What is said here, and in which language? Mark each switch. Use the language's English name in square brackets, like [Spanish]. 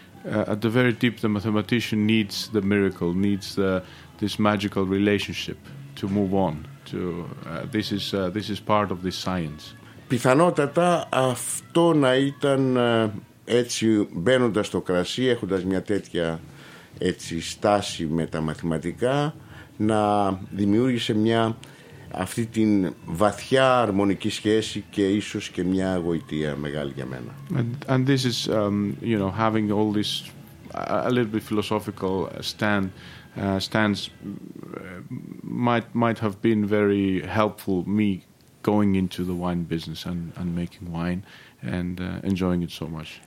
[English] At the very deep, the mathematician needs the miracle, needs this magical relationship to move on. This is part of this science. [Greek] Πιθανότατα αυτό να ήταν έτσι μπαίνοντας στο κρασί, έχοντας μια τέτοια έτσι στάση με τα μαθηματικά, να δημιούργησε μια αυτή την βαθιά αρμονική σχέση και ίσως και μια γοητεία μεγάλη για μένα. [English] And this is, you know, having all this a little bit philosophical stance might have been very helpful me going into the wine business and making wine and enjoying it so much.